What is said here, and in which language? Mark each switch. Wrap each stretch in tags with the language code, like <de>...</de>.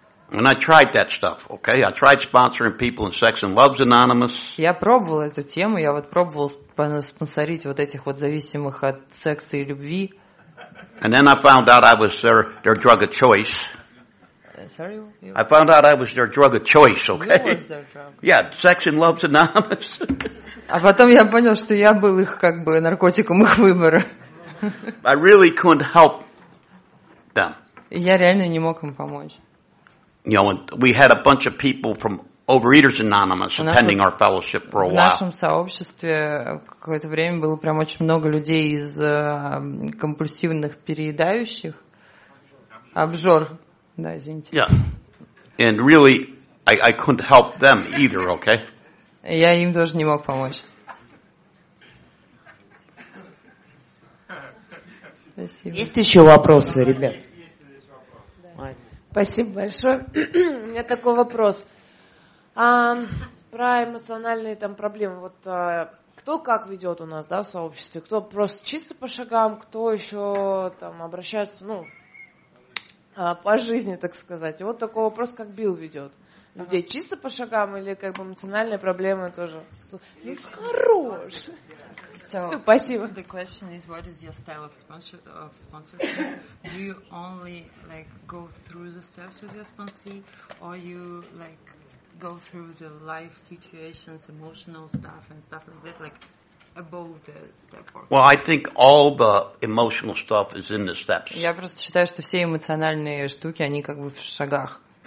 <en>And I tried that stuff, okay? I tried sponsoring people in Sex and Love's Anonymous.</en> <ru>Я пробовал эту тему, я вот пробовал спонсорить вот этих вот зависимых от секса и любви.</ru> <en>And then I found out I was their drug of choice. Sorry? I found out I was their drug of choice, okay? You was their drug. Yeah, Sex and Love's Anonymous.</en> <ru>А потом я понял, что я был их как бы наркотиком их выбора.</ru> <en>I really couldn't help them.</en> <ru>Я реально не мог им помочь.</ru> <en>You know, we had a bunch of people from Overeaters Anonymous attending our fellowship for a while.</en> <ru>В нашем сообществе какое-то время было прям очень много людей из компульсивных переедающих. Обжор. Да, извините.</ru> <en>Yeah. And really, I couldn't help them either, okay?</en> <ru>Я им тоже не мог помочь. Спасибо. Есть еще вопросы, ребят? Спасибо большое. У меня такой вопрос. Про эмоциональные там проблемы. Вот кто как ведет у нас, да, в сообществе? Кто просто чисто по шагам, кто еще там обращается, ну, по жизни, так сказать. И вот такой вопрос, как Билл ведет. Людей чисто по шагам или как бы эмоциональные проблемы тоже? Ну, хорош!</ru> <en>So,</en> <ru>спасибо.</ru> <en>The question is, what is your style of sponsorship? Do you only like go through the steps with your sponsee, or you like go through the life situations, emotional stuff, and stuff like that, like above the step work? Well, I think all the emotional stuff is in the steps.</en> <ru>Я просто считаю, что все эмоциональные штуки, они как бы в шагах.</ru>